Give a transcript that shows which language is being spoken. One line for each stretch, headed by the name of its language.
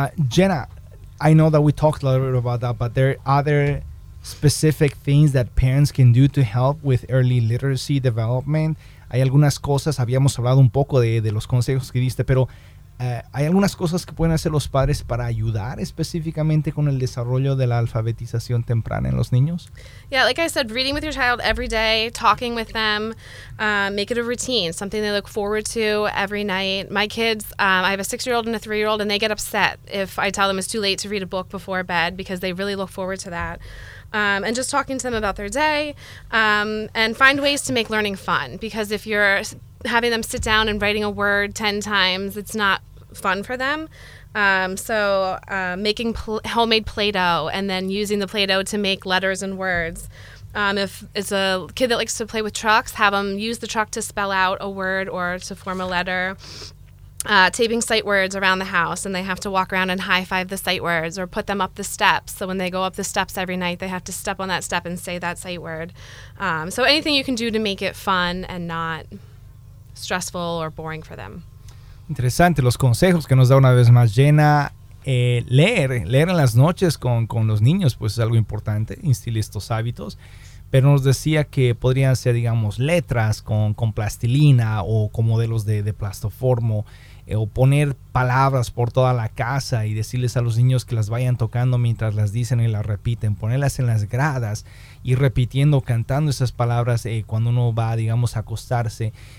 English: Jenna, I know that we talked a little bit about that, but there are other specific things that parents can do to help with early literacy development.
Spanish: Hay algunas cosas, habíamos hablado un poco de los consejos que diste, pero hay algunas cosas que pueden hacer los padres para ayudar específicamente con el desarrollo de la alfabetización temprana en los niños.
English: Yeah, like I said, reading with your child every day, talking with them, make it a routine, something they look forward to every night. My kids, I have a 6-year-old and a 3-year-old, and they get upset if I tell them it's too late to read a book before bed because they really look forward to that. And just talking to them about their day, and find ways to make learning fun. Because if you're having them sit down and writing a word 10 times, it's not fun for them. Making homemade Play-Doh and then using the Play-Doh to make letters and words. If it's a kid that likes to play with trucks, have them use the truck to spell out a word or to form a letter. Taping sight words around the house, and they have to walk around and high-five the sight words or put them up the steps. So when they go up the steps every night, they have to step on that step and say that sight word. So anything you can do to make it fun and not stressful or boring for them.
Spanish: Interesante los consejos que nos da una vez más Jenna. Leer en las noches con los niños, pues es algo importante, instilar estos hábitos. Pero nos decía que podrían ser, digamos, letras con plastilina o con modelos de plastoformo, o poner palabras por toda la casa y decirles a los niños que las vayan tocando mientras las dicen y las repiten, ponerlas en las gradas y repitiendo, cantando esas palabras cuando uno va, digamos, a acostarse.